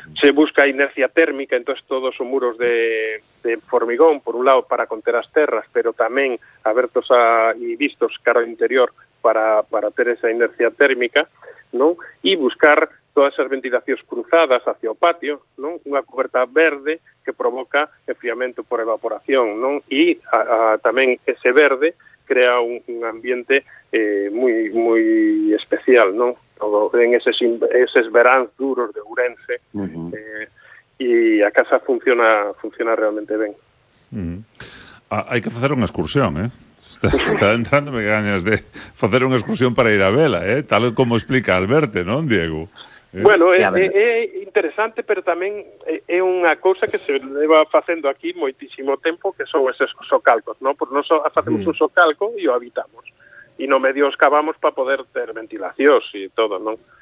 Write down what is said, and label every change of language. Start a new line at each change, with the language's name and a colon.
Spanish: Se busca inercia térmica, entonces
Galician: todos os muros de formigón, por un lado para conter as terras, pero tamén abertos e vistos cara ao interior para ter esa inercia térmica, ¿no? E buscar todas esas ventilacións cruzadas hacia o patio, ¿no? Unha cuberta verde que provoca enfriamento por evaporación, ¿no? E tamén ese verde crea un ambiente
Spanish: muy muy especial,
Galician: ¿no? Todo en esos veráns duros de Ourense, uh-huh. Y a casa funciona realmente bien. Uh-huh.
Spanish: Hay que hacer una excursión, ¿eh? Está entrándome ganas de hacer una excursión para ir a vela, ¿eh? Tal como explica Alberto, ¿no, Diego?
Galician: Bueno, é interesante, pero tamén é unha cousa que se leva facendo aquí moitísimo tempo, que son esos socalcos, ¿no? Pois nos facemos un socalco e o habitamos. E no medio escavamos para poder ter ventilación e todo, ¿no?